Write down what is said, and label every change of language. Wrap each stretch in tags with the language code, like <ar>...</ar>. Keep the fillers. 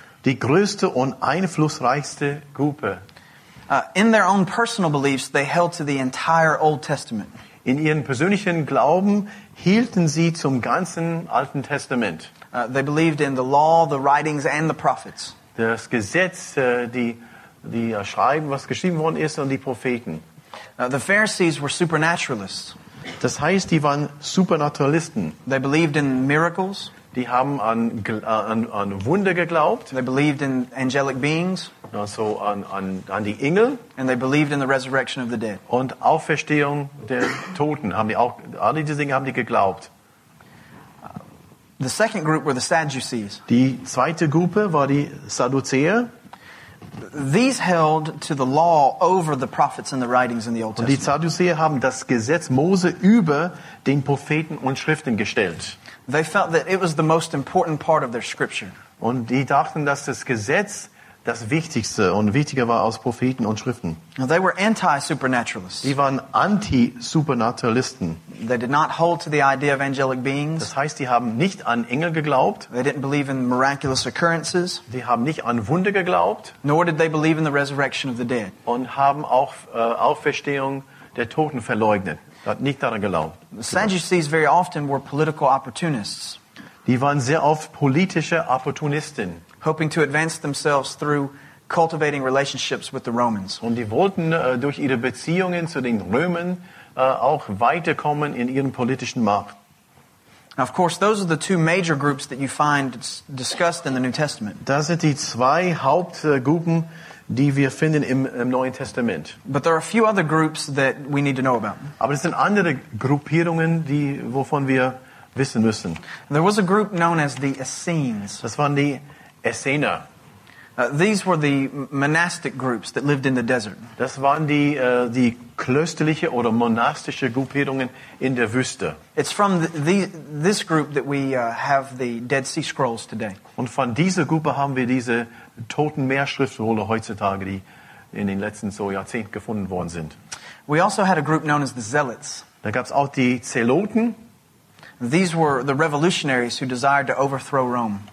<de>Die größte und einflussreichste Gruppe.</de> <en>Uh, in their own personal beliefs, they held to the entire Old Testament.</en> <de>In ihren persönlichen Glauben hielten sie zum ganzen Alten Testament.</de> <en>Uh, they believed in the law, the writings, and the prophets.</en> <de>Das Gesetz, die, die Schreiben, was geschrieben worden ist, und die Propheten.</de> <en>the Pharisees were supernaturalists.</en> <de>Das heißt, die waren Supernaturalisten.</de> <en>They believed in miracles.</en> <de>Die haben an, an, an Wunder geglaubt.</de> <en>They believed in angelic beings.</en> <de>Also an, an, die Engel.</de> <en>And they believed in the resurrection of the dead.</en> <de>Und Auferstehung der Toten haben die auch. Alle diese Dinge haben die geglaubt.</de> <en>The second group were the Sadducees.</en> <de>Die zweite Gruppe war die Sadduzäer.</de> <en>These held to the law over the prophets and the writings in the Old Testament.</en> <de>Und die Sadduzäer haben das Gesetz Mose über den Propheten und Schriften gestellt.</de> <en>They felt that it was the most important part of their scripture.</en> <de>Und die dachten, dass das Gesetz das wichtigste und wichtiger war aus Propheten und Schriften.</de> <en>Now they were anti-supernaturalists.</en> <de>Die waren anti-supernaturalisten.</de> <en>They did not hold to the idea of angelic beings.</en> <de>Das heißt, die haben nicht an Engel geglaubt.</de> <en>They didn't believe in miraculous occurrences.</en> <de>Die haben nicht an Wunder geglaubt.</de> <en>Nor did they believe in the resurrection of the dead.</en> <de>Und haben auch äh, Auferstehung der Toten verleugnet.</de> <en>The Sadducees very often were political opportunists.</en> <de>Die waren sehr oft politische Opportunisten.</de> <en>Hoping to advance themselves through cultivating relationships with the Romans.</en> <de>Und die wollten uh, äh, durch ihre Beziehungen zu den Römern uh, äh, auch weiterkommen in ihren politischen Macht.</de> <en>Now, of course, those are the two major groups that you find discussed in the New Testament.</en> <de>Das sind die zwei Hauptgruppen. Die wir finden Im Neuen Testament.</de> <en>But there are a few other groups that we need to know about.</en> <de>Aber es sind andere Gruppierungen, die wovon wir wissen müssen.</de> <en>There was a group known as the Essenes.</en> <de>Das waren die Essener.</de> <en>Uh, these were the monastic groups that lived in the desert.</en> <de>Das waren die, uh, die klösterliche oder monastische Gruppierungen in der Wüste.</de> <en>It's from the, the, this group that we uh, have the Dead Sea Scrolls today.</en> <de>Und von dieser Gruppe haben wir diese toten Meerschriftrolle heutzutage, die in den letzten so Jahrzehnten gefunden worden sind.</de> <en>We also had a group known as the Zealots.</en> <de>Da gab auch die Zeloten.</de> <en>These were the revolutionaries who desired to overthrow Rome.</en>